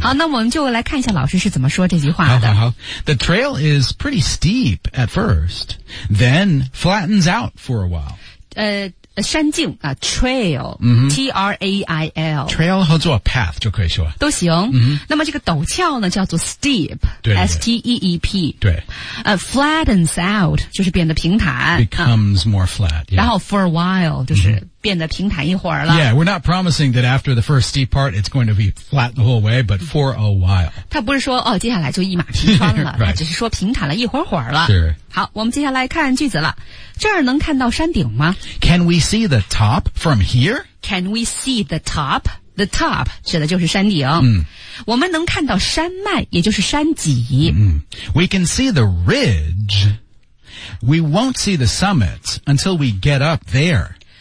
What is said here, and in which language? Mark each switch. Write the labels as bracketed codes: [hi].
[zh] 好，那我们就来看一下老师是怎么说这句话的。好好好。 [en] The trail is pretty steep at first, then flattens out for a while. [zh] 山径啊 ,trail,、T-R-A-I-L。 trail 合作 path 就可以说。都行。那么这个陡峭呢叫做 steep, 对对对 S-T-E-E-P。对。 [en] Flattens out, [zh] 就是变得平坦。 [en] Becomes more flat,、 [zh] 然后 [en] for a while, [zh] 就是变得平坦一会儿了。 [en] Yeah, we're not promising that after the first steep part, it's going to be flat the whole way, but for a while. [zh] 他不是说哦接下来就一马平川了他只是说平坦了一会儿会儿了。 [en] Sure. [zh] 好我们接下来看句子了。这儿能看到山顶吗 [en] ?Can we see the top from here? Can we see the top? The top [zh] 指的就是山顶。我们能看到山脉也就是山脊。 [en] We can see the ridge. We won't see the summit until we get up there.